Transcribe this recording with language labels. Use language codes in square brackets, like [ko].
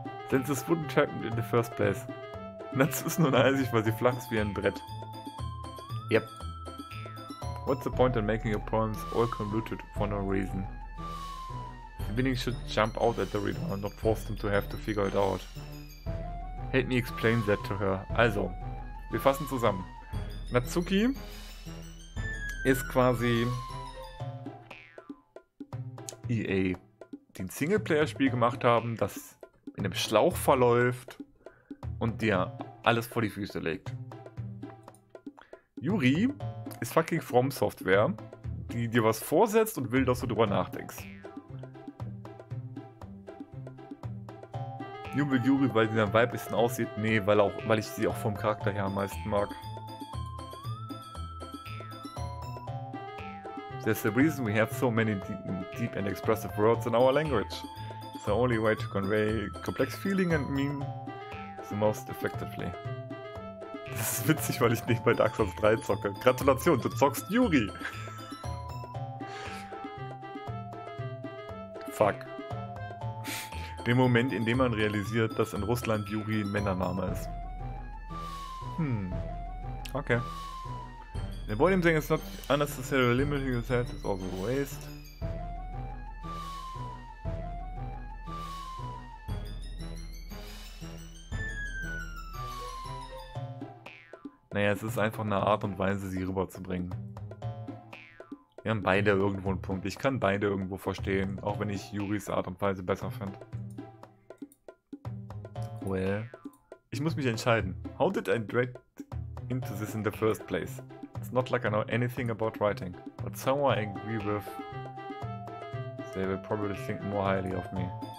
[en] Since this wouldn't happen in the first place. [de] Natsu ist nun eisig, weil sie flach ist wie ein Brett. [en] Yep. What's the point in making your poems all convoluted for no reason? The meaning should jump out at the reader and not force them to have to figure it out. Help me explain that to her. [de] Also, wir fassen zusammen. Natsuki ist quasi EA, die ein Singleplayer-Spiel gemacht haben, das in einem Schlauch verläuft und dir alles vor die Füße legt. Yuri ist fucking From Software, die dir was vorsetzt und will, dass du drüber nachdenkst. Jubel Yuri, weil sie dann weiblichsten aussieht? Nee, weil ich sie auch vom Charakter her am meisten mag. [en] That's the reason we have so many deep and expressive words in our language. It's the only way to convey complex feeling and meaning the most effectively. [de] Das ist witzig, weil ich nicht bei Dark Souls 3 zocke. Gratulation, du zockst Yuri! Fuck. Der Moment, in dem man realisiert, dass in Russland Yuri ein Männername ist. Okay. [en] The volume thing is not unnecessarily limiting yourself, it's also a waste. [de] Naja, es ist einfach eine Art und Weise, sie rüberzubringen. Wir haben beide irgendwo einen Punkt. Ich kann beide irgendwo verstehen, auch wenn ich Yuris Art und Weise besser fand. Well, ich muss mich entscheiden. [en] How did I drag into this in the first place? It's not like I know anything about writing, but somewhere I agree with. They will probably think more highly of me.